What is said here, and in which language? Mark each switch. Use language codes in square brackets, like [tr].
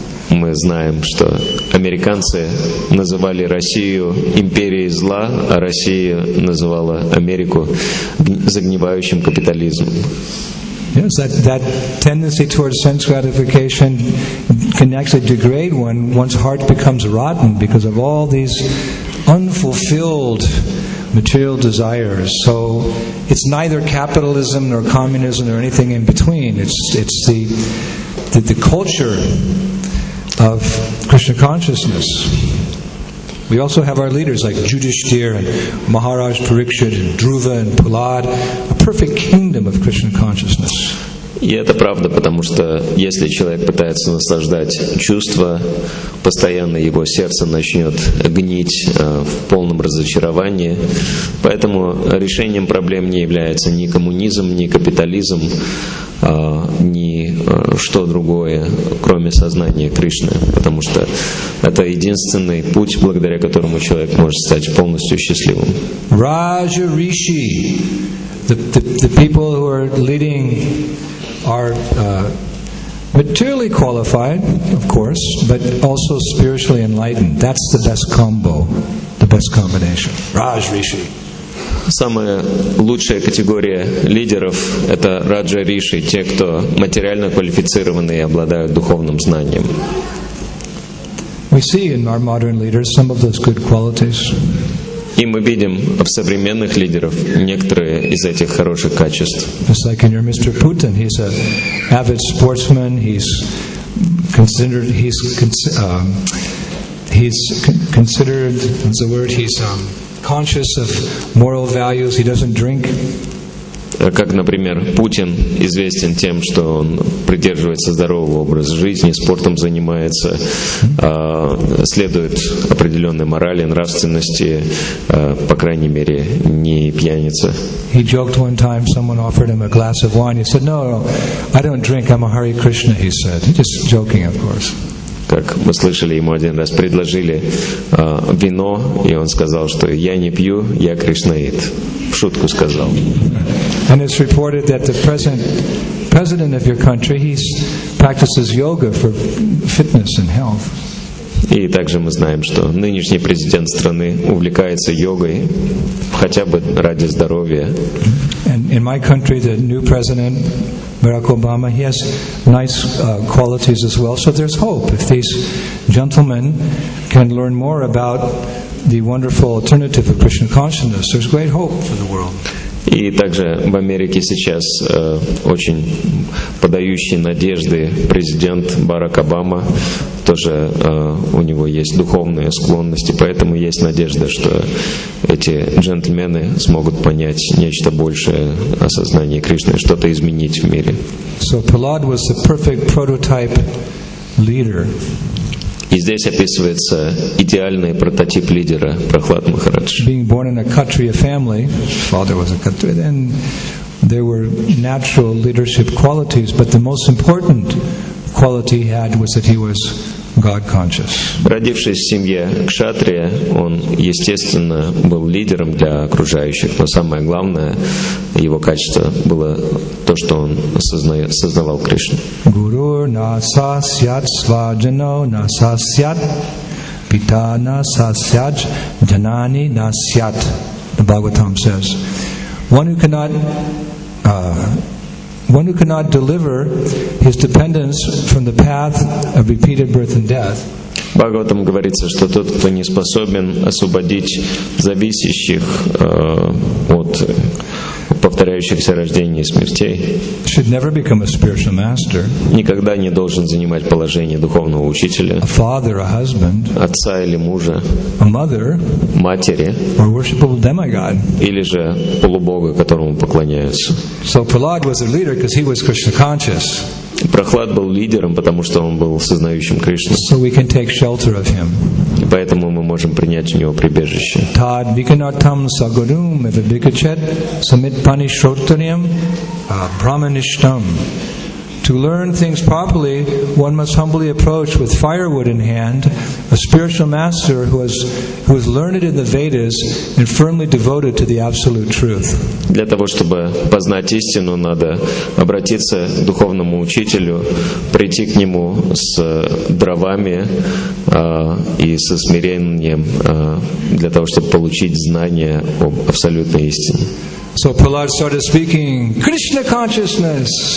[ru] Мы знаем, что американцы называли Россию империей зла, а Россия называла Америку загнивающим капитализмом. [en] Yes, that tendency towards sense gratification can actually degrade one's heart becomes rotten because of all these unfulfilled material desires. So it's neither capitalism nor communism or anything in between. It's the culture of Krishna consciousness. We also have our leaders like Yudhishthira and Maharaj Parikshit and Dhruva and Prahlad, a perfect kingdom of Krishna consciousness. [ru] И это правда, потому что если человек пытается наслаждать чувства, постоянно его сердце начнет гнить в полном разочаровании. Поэтому решением проблем не является ни коммунизм, ни капитализм, ни что другое, кроме сознания Кришны. Потому что это единственный путь, благодаря которому человек может стать полностью счастливым. [en] Raja Rishi, the people who are leading are materially qualified, of course, but also spiritually enlightened. That's the best combo, the best combination. Raj Rishi. [ru] Самая лучшая категория лидеров — это Раджа Риши, те, кто материально квалифицированы и обладают духовным знанием. [en] We see in our modern leaders some of those good qualities. [ru] И мы видим в современных лидеров некоторые из этих хороших качеств. [en] Just like in your Mr. Putin, he's an avid sportsman. He's considered. What's the word? He's conscious of moral values. He doesn't drink. [ru] Как, например, Путин известен тем, что он придерживается здорового образа жизни, спортом занимается, следует определенной морали, нравственности, по крайней мере, не пьяница. [en] He joked one time, someone offered him a glass of wine. He said, "No, I don't drink. I'm a Hare Krishna." He said, "Just joking, of course." [ru] как мы слышали, ему один раз предложили вино, и он сказал, что я не пью, я кришнаит. В шутку сказал. [en] And it's reported that the president of your country, he practices yoga for fitness and health. [ru] И также мы знаем, что нынешний президент страны увлекается йогой, хотя бы ради здоровья. [en] And in my country, the new president, Barack Obama, he has nice qualities as well. So there's hope if these gentlemen can learn more about the wonderful alternative of Krishna consciousness. There's great hope for the world. [ru] И также в Америке сейчас очень подающий надежды президент Барак Обама, тоже у него есть духовные склонности, поэтому есть надежда, что эти джентльмены смогут понять нечто большее о сознании Кришны, что-то изменить в мире. [en] So Prahlad was the perfect prototype leader. [ru] И здесь описывается идеальный прототип лидера Прахлад Махарадж. [en] Being born in a Kshatriya family, father was a Kshatriya, then there were natural leadership qualities, but the most important quality he had was that he was God conscious. [ru] Родившись в семье кшатрия, он естественно был лидером для окружающих, но самое главное его качество было то, что он сознавал Кришну. [sa] Guru na sasyat svajano na sasyat pita na sasyat janani na sasyat. [en] The Bhagavatam says, one who cannot deliver his dependents from the path of repeated birth and death. [ru] Бхагаватам говорится, что тот, кто не способен освободить зависящих от повторяющихся рождений и смертей, [en] should never become a spiritual master. [ru] Никогда не должен занимать положение духовного учителя, [en] a father, a husband, [ru] отца или мужа, [en] a mother, [ru] матери, [en] or worshipable demigod, [ru] или же полубога, которому поклоняются. [en] So Prahlad was a leader because he was Krishna conscious. [ru] Прохлад был лидером, потому что он был сознающим Кришну. [en] So we can take shelter of him. [ru] И поэтому мы можем принять у него прибежище. [sa] Tad vikanatam sagarum eva vikachet samitpani shrotaniam brahmanishtam. [en] To learn things properly, one must humbly approach with firewood in hand a spiritual master who is learned in the Vedas and firmly devoted to the absolute truth. [ru] Для того, чтобы познать истину, надо обратиться к духовному учителю, прийти к нему с дровами и со смирением для того, чтобы получить знания об абсолютной истине. [en] So Prahlad started speaking Krishna consciousness.